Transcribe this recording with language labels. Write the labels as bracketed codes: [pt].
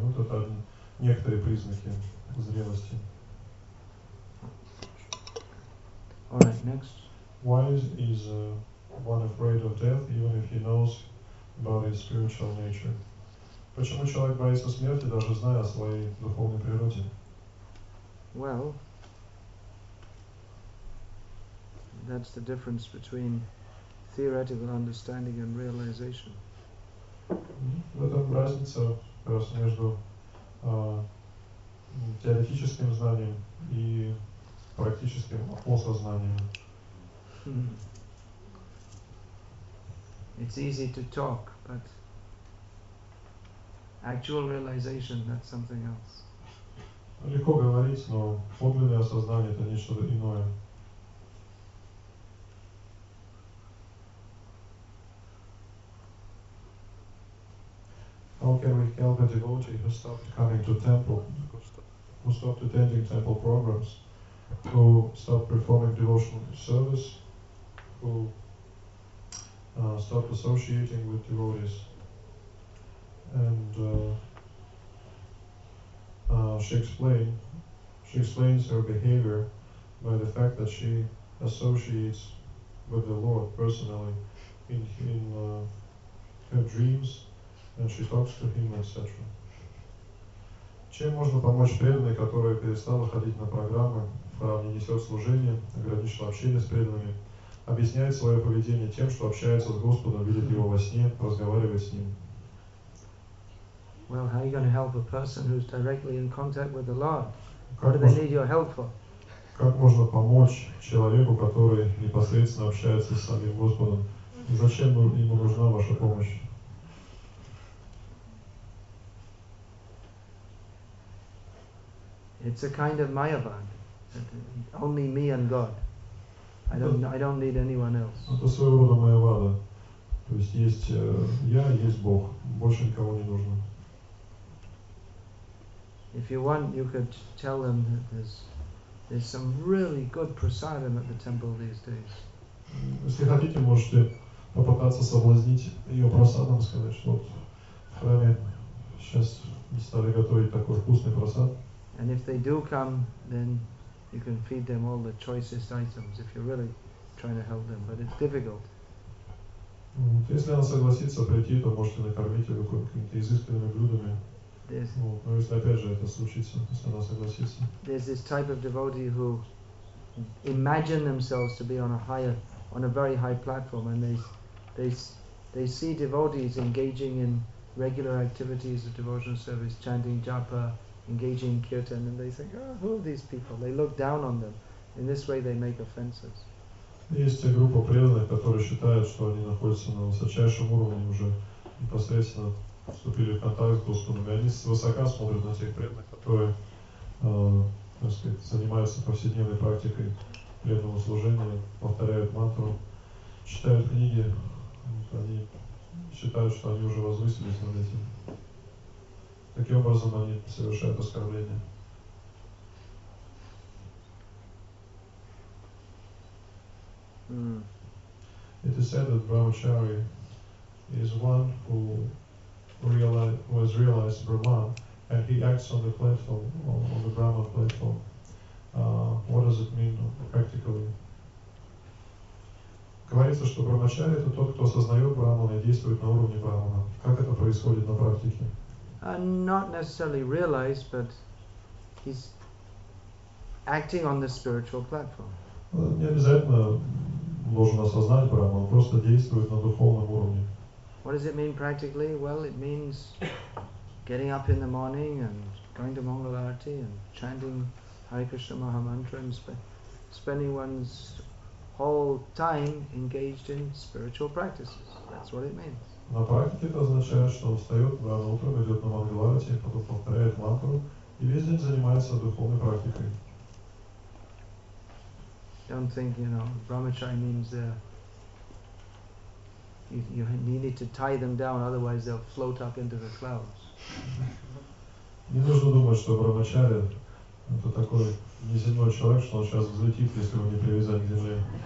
[ru] Вот это некоторые признаки зрелости. [en] All right, next. Why is one afraid of death, even if he knows about his spiritual nature? [ru] Почему человек боится смерти, даже зная о своей духовной природе? [en] Well, that's the difference between theoretical understanding and realization. [ru] В этом разница между теоретическим знанием и практическим осознанием. [en] It's easy to talk, but actual realization, that's something else. [ru] Легко говорить, но подлинное осознание это нечто иное. [en] How can we help a devotee who stopped coming to temple, who stopped attending temple programs, who stopped performing devotional service, who stopped associating with devotees? And she explains her behavior by the fact that she associates with the Lord personally in her dreams. And she talks to him, etc. [ru] Чем можно помочь преданной, которая перестала ходить на программы, не несет служение, ограничила общение с преданными, объясняет свое поведение тем, что общается с Господом, видит его во сне, разговаривает с ним? [en] Well, how are you going to help a person who's directly in contact with the Lord? What do they need your help for? [ru] Как можно помочь человеку, который непосредственно общается с самим Господом? Зачем ему нужна ваша помощь? [en] It's a kind of mayavad. Only me and God. I don't need anyone else. [ru] Это своего рода майявада. То есть есть я, есть Бог. Больше никого не нужно. [en] If you want, you could tell them that there's some really good prasadam at the temple these days. [ru] Если хотите, можете попытаться соблазнить ее прасадом, сказать, что вот в храме сейчас стали готовить такой вкусный прасад. [en] And if they do come, then you can feed them all the choicest items if you're really trying to help them. But it's difficult. [ru] Если она согласится прийти, то можете накормить ее какими-то изысканными блюдами. Но если опять же это случится, если она согласится. [en] There's this type of devotee who imagine themselves to be on a very high platform, and they see devotees engaging in regular activities of devotional service, chanting japa, engaging in kirtan, and they think, oh, who are these people? They look down on them. In this way, they make offenses. [ru] Есть группа преданных, которые считают, что они находятся на высочайшем уровне, уже непосредственно вступили в контакт с Господом. И они свысока смотрят на тех преданных, которые, так сказать, занимаются повседневной практикой преданного служения, повторяют мантру, читают книги. Вот они считают, что они уже возвысились над этим. Таким образом они совершают оскорбление. [en] It is said that Brahmachari is one who has realized Brahman, and he acts on the platform, on the Brahman platform. What does it mean practically? [ru] Говорится, что Брахмачари это тот, кто осознает Брахмана и действует на уровне Брахмана. Как это происходит на практике? [en] Not necessarily realize, but he's acting on the spiritual platform. [ru] Не обязательно должен осознать Брахман, он просто действует на духовном уровне. [en] What does it mean practically? Well, it means getting up in the morning and going to Mangalarti and chanting Hare Krishna Maha Mantra and spending one's whole time engaged in spiritual practices. That's what it means. [ru] На практике это означает, что он встает рано утром, идет на Мангаларати, потом повторяет мантру и весь день занимается духовной практикой. [en] Don't think, you know, Brahmachari means you need to tie them down, otherwise they'll float up into the clouds. [ru] Не нужно думать, что Брахмачари это такой неземной человек, что он сейчас взлетит, если его не привязать к земле.